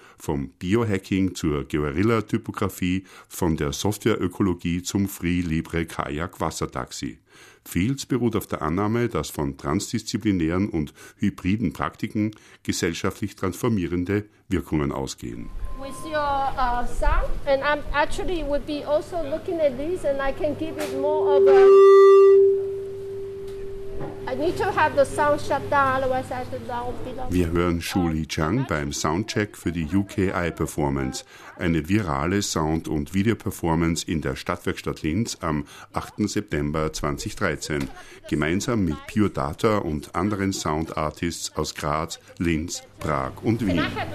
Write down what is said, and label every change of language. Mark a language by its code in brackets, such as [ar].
[de] Vom Biohacking zur Guerilla-Typografie, von der Softwareökologie zum Free-Libre-Kajak-Wassertaxi. Fields beruht auf der Annahme, dass von transdisziplinären und hybriden Praktiken gesellschaftlich transformierende Wirkungen ausgehen. [en] With your sound, and I'm actually would be also looking at this, and I can give it more of a. [de] Wir hören Shuli Chang beim Soundcheck für die UKI Performance, eine virale Sound- und Videoperformance in der Stadtwerkstatt Linz am 8. September 2013, gemeinsam mit Pure Data und anderen Soundartists aus Graz, Linz, Prag und Wien.